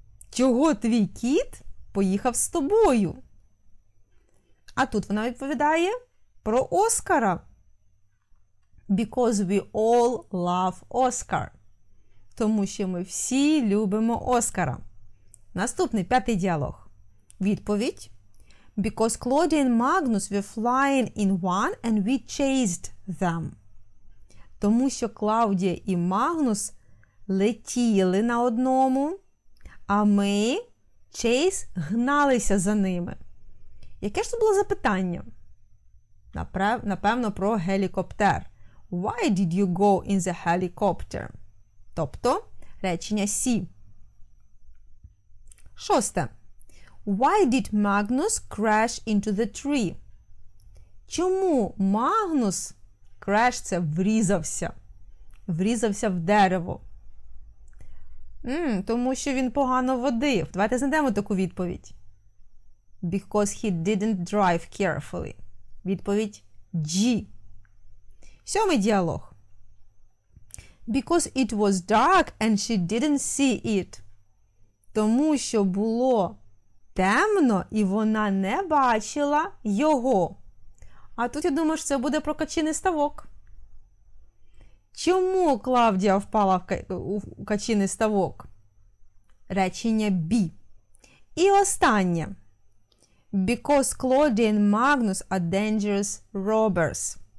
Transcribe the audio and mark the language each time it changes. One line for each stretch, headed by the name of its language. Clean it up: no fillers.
Ukrainian: Чого твій кіт поїхав з тобою? А тут вона відповідає про Оскара.
English: Because we all love Oscar.
Ukrainian: Тому що ми всі любимо Оскара. Наступний, п'ятий діалог. Відповідь.
English: Because Claudia and Magnus were flying in one and we chased them.
Ukrainian: Тому що Клаудія і Магнус летіли на одному, а ми, Чейз, гналися за ними. Яке ж це було запитання? Напевно, про гелікоптер.
English: Why did you go in the helicopter?
Ukrainian: Тобто, речення C. Шосте.
English: Why did Magnus crash into the tree?
Ukrainian: Чому Магнус, crash це врізався? Врізався в дерево. Тому що він погано водив. Давайте знайдемо таку відповідь.
English: Because he didn't drive carefully.
Ukrainian: Відповідь G. Сьомий діалог.
English: Because it was dark and she didn't see it.
Ukrainian: Тому що було темно і вона не бачила його. А тут, я думаю, що це буде про качиний ставок. Чому Клавдія впала в качиний ставок? Речення B. І останнє.
English: Because Claudia and Magnus are dangerous robbers.